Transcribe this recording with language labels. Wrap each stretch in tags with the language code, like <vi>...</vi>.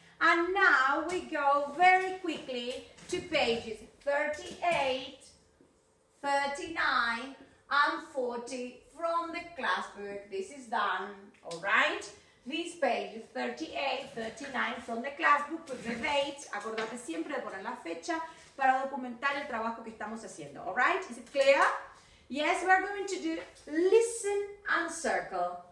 <en>And now we go very quickly to pages 38, 39, and 40 from the class book. This is done, all right? These pages 38, 39 from the class book with the dates.</en> <es>Acordate siempre de poner la fecha para documentar el trabajo que estamos haciendo,</es> <en>all right? Is it clear? Yes, we're going to do listen and circle.</en>